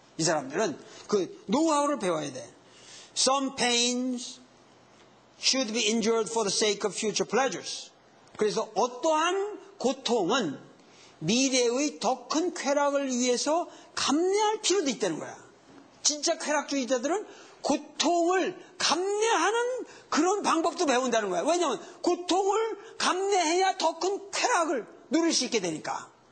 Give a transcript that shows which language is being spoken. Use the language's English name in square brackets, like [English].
[Korean] 이 사람들은 그 노하우를 배워야 돼. [English] Some pains should be endured for the sake of future pleasures. [Korean] 그래서 어떠한 고통은 미래의 더 큰 쾌락을 위해서 감내할 필요도 있다는 거야. 진짜 쾌락주의자들은 고통을 감내하는 그런 방법도 배운다는 거야. 왜냐하면 고통을 감내해야 더 큰 쾌락을 누릴 수 있게 되니까.